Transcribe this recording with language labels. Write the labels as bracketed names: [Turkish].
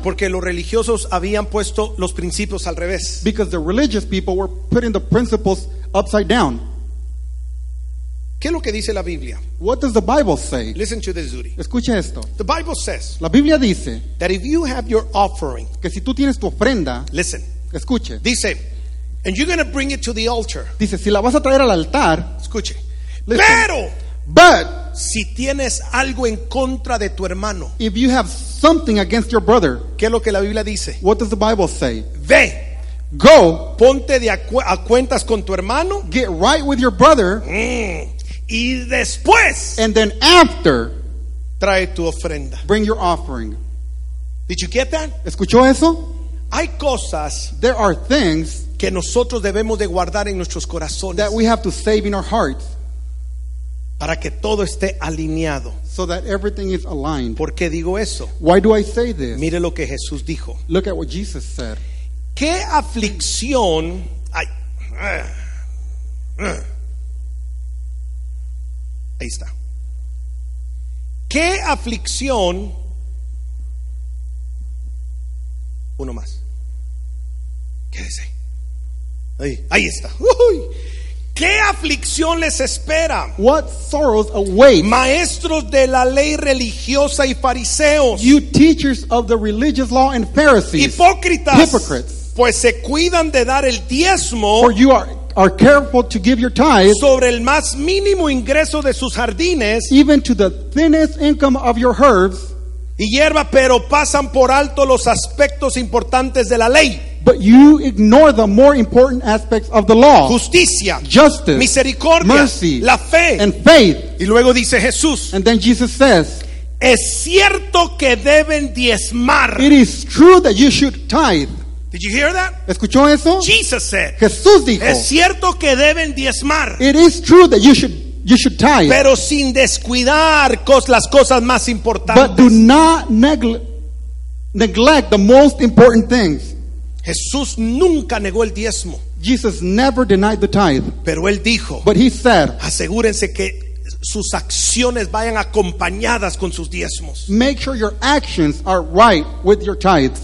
[Spanish] Porque los religiosos habían puesto los principios al revés. [English] Because the religious people were putting the principles upside down. [Spanish] ¿Qué es lo que dice la Biblia? [English] What does the Bible say? Listen to this, Zuri. [Spanish] Escucha esto. [English] The Bible says. [Spanish] La Biblia dice. [English] That if you have your offering. [Spanish] Que si tú tienes tu ofrenda. [English] Listen. [Spanish] Escuche. Dice. [English] And you're going to bring it to the altar. [Spanish] Dice, si la vas a traer al altar. Escuche. [English] Listen, [Spanish] pero. [English] But. [Spanish] Si tienes algo en contra de tu hermano. [English] If you have something against your brother. [Spanish] ¿Qué es lo que la Biblia dice? [English] What does the Bible say? [Spanish] Ve. [English] Go. [Spanish] Ponte a cuentas con tu hermano. [English] Get right with your brother. [Spanish] Y después, [English] and then after, [Spanish] trae tu ofrenda. [English] Bring your offering. Did you get that? [Spanish] ¿Escuchó eso? Hay cosas, [English] there are things, [Spanish] que nosotros debemos de guardar en nuestros corazones, [English] that we have to save in our hearts, [Spanish] para que todo esté alineado. [English] So that everything is aligned. [Spanish] ¿Por qué digo eso? [English] Why do I say this? [Spanish] Mire lo que Jesús dijo. [English] Look at what Jesus said. [Spanish] ¿Qué aflicción hay? Ahí está. ¿Qué aflicción? Uno más. Quédese. Ahí está. Uy. ¿Qué aflicción les espera? [English] What sorrows await? [Spanish] Maestros de la ley religiosa y fariseos. [English] You teachers of the religious law and Pharisees. [Spanish] Hipócritas. [English] Hypocrites. [Spanish] Pues se cuidan de dar el diezmo. [English] For you are careful to give your tithe, [Spanish] sobre el más mínimo ingreso de sus jardines, [English] even to the thinnest income of your herbs, [Spanish] y hierba, pero pasan por alto los aspectos importantes de la ley. [English] But you ignore the more important aspects of the law. [Spanish] Justicia, [English] justice, [Spanish] misericordia, [English] mercy, [Spanish] la fe, [English] and faith. [Spanish] Y luego dice Jesús, [English] and then Jesus says, [Spanish] es cierto que deben diezmar. [English] It is true that you should tithe. Did you hear that? [Spanish] ¿Escuchó eso? [English] Jesus said. [Spanish] Jesús dijo. Es cierto que deben diezmar. [English] It is true that you should tithe. [Spanish] Pero sin descuidar las cosas más importantes. [English] But do not neglect the most important things. [Spanish] Jesús nunca negó el diezmo. [English] Jesus never denied the tithe. [Spanish] Pero él dijo. [English] But he said. [Spanish] Asegúrense que sus acciones vayan acompañadas con sus diezmos. [English] Make sure your actions are right with your tithes.